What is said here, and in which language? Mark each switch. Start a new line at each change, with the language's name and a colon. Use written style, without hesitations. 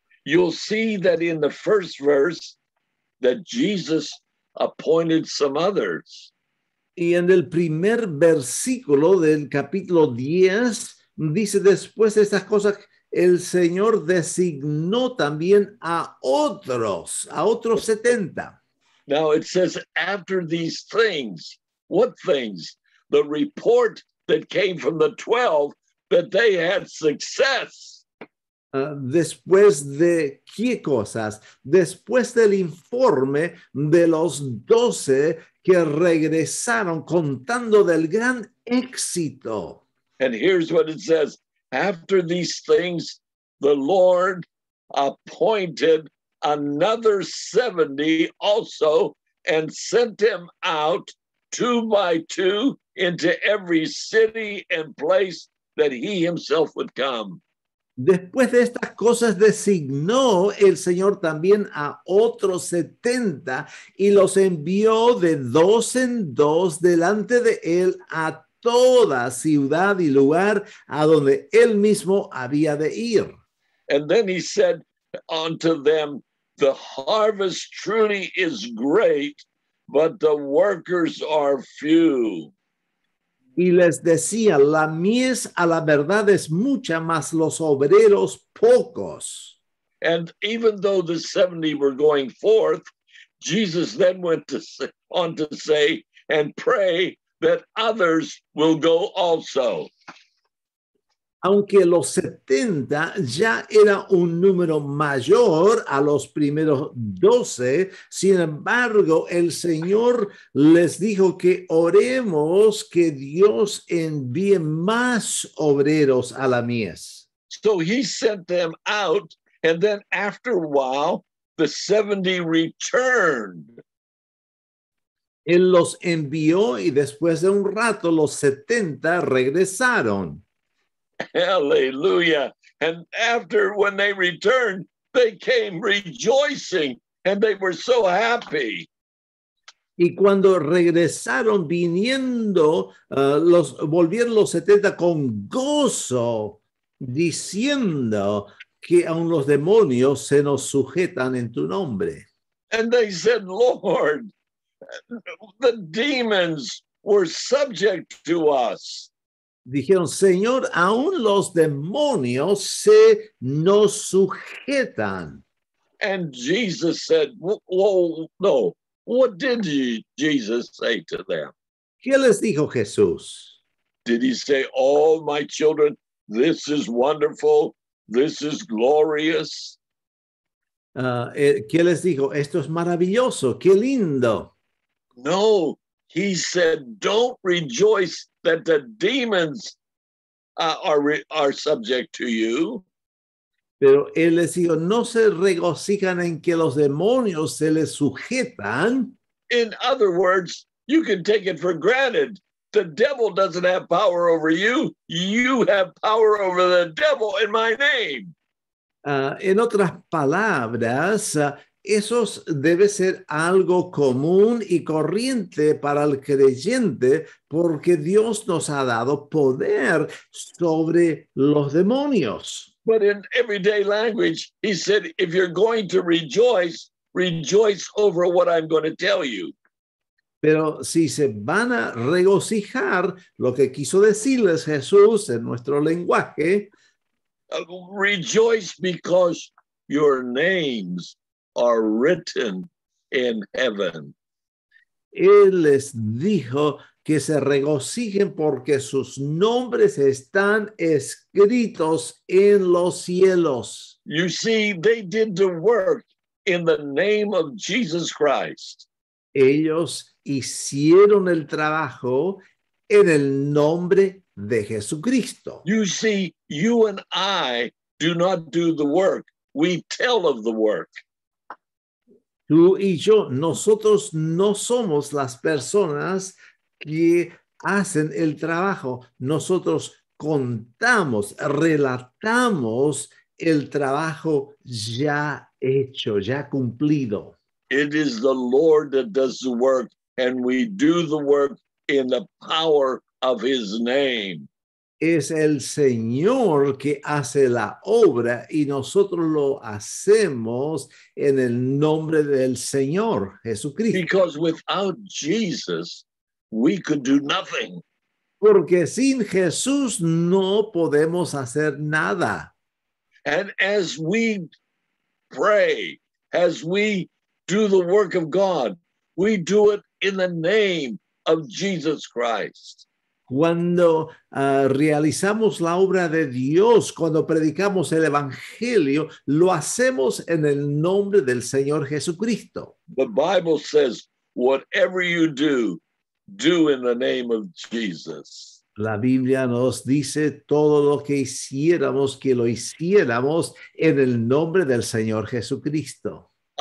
English: you'll see that in the first verse that Jesus appointed some others.
Spanish: Y en el primer versículo del capítulo 10, dice después de estas cosas, el Señor designó también a otros 70.
English: Now it says, after these things, what things? The report that came from the 12 that they had success.
Spanish: Después de qué cosas? Después del informe de los 12 que regresaron contando del gran éxito.
English: And here's what it says. After these things, the Lord appointed another 70 also and sent them out 2 by 2 into every city and place that he himself would come.
Spanish: Después de estas cosas designó el Señor también a otros 70 y los envió de 2 en 2 delante de él a toda ciudad y lugar a donde él mismo había de ir.
English: And then he said unto them, the harvest truly is great, but the workers are few.
Spanish: Y les decía, la mies a la verdad es mucha, mas los obreros pocos.
English: And even though the 70 were going forth, Jesus then went on to say and pray that others will go also.
Spanish: Aunque los 70 ya era un número mayor a los primeros 12, sin embargo, el Señor les dijo que oremos que Dios envíe más obreros a la mies.
English: So he sent them out, and then after a while, the 70 returned.
Spanish: Él los envió y después de un rato los 70 regresaron.
English: Hallelujah. And after, when they returned, they came rejoicing and they were so happy.
Spanish: Y cuando regresaron viniendo, volvieron los 70 con gozo, diciendo que aún los demonios se nos sujetan en tu nombre.
English: And they said, Lord, the demons were subject to us.
Spanish: Dijeron, Señor, aún los demonios se nos sujetan.
English: And Jesus said, whoa, no, what did Jesus say to them?
Spanish: ¿Qué les dijo Jesús?
English: Did he say, oh, my children, this is wonderful, this is glorious?
Spanish: ¿Qué les dijo? Esto es maravilloso, qué lindo.
English: No, he said, don't rejoice that the demons are subject to you.
Spanish: Pero él les dijo, no se regocijan en que los demonios se les sujetan.
English: In other words, you can take it for granted. The devil doesn't have power over you. You have power over the devil in my name.
Spanish: En otras palabras, eso debe ser algo común y corriente para el creyente porque Dios nos ha dado poder sobre los demonios.
English: But in everyday language, he said, if you're going to rejoice, rejoice over what I'm going to tell you.
Spanish: Pero si se van a regocijar, lo que quiso decirles Jesús en nuestro lenguaje,
English: rejoice because your names are written in heaven.
Spanish: Él les dijo que se regocijen porque sus nombres están escritos en los cielos.
English: You see, they did the work in the name of Jesus Christ.
Spanish: Ellos hicieron el trabajo en el nombre de Jesucristo.
English: You see, you and I do not do the work. We tell of the work.
Spanish: Tú y yo, nosotros no somos las personas que hacen el trabajo. Nosotros contamos, relatamos el trabajo ya hecho, ya cumplido.
English: It is the Lord that does the work, and we do the work in the power of his name.
Spanish: Es el Señor que hace la obra y nosotros lo hacemos en el nombre del Señor Jesucristo.
English: Because without Jesus, we could do nothing.
Spanish: Porque sin Jesús no podemos hacer nada.
English: And as we pray, as we do the work of God, we do it in the name of Jesus Christ.
Spanish: Cuando realizamos la obra de Dios, cuando predicamos el Evangelio, lo hacemos en el nombre del Señor Jesucristo.
English: The Bible says, whatever you do, do in the name of Jesus.
Spanish: La Biblia nos dice, todo lo que hiciéramos, que lo hiciéramos en el nombre del Señor Jesucristo.